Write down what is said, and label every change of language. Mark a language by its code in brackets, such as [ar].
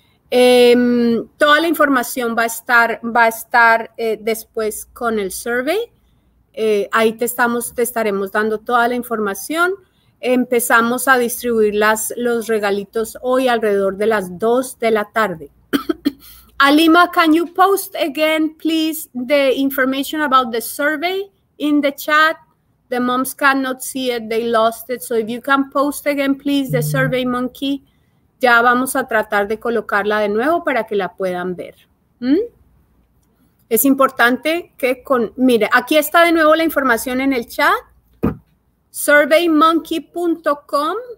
[es] Toda la información va a estar después con el survey. Ahí te estaremos dando toda la información. Empezamos a distribuir los regalitos hoy alrededor de las 2 de la tarde. [en] Alima, can you post again, please, the information about the survey in the chat? The moms cannot see it, they lost it. So if you can post again, please, the Survey Monkey. [es] Ya vamos a tratar de colocarla de nuevo para que la puedan ver. Es importante que mire, aquí está de nuevo la información en el chat. Surveymonkey.com,